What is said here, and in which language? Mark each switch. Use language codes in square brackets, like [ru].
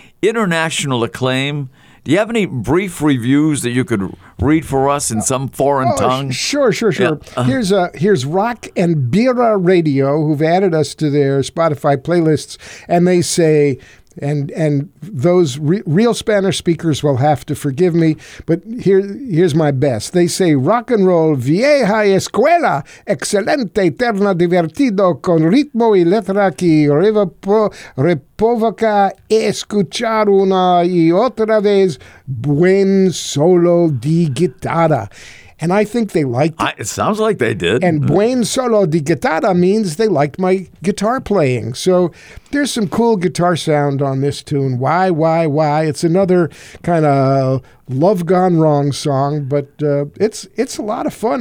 [en] International acclaim. Do you have any brief reviews that you could read for us in some foreign tongue? Sure. Yeah. Here's Rock and Bira Radio, who've added us to their Spotify playlists, and they say, And those real Spanish speakers will have to forgive me, but here's my best. They say, [es] rock and roll, vieja escuela, excelente, eterna, divertido, con ritmo y letra que reprovoca escuchar una y otra vez buen solo de guitarra. [en] And I think they liked it. It sounds like they did. And buen solo de guitarra means they liked my guitar playing. So there's some cool guitar sound on this tune. Why? It's another kind of love gone wrong song, but it's a lot of fun.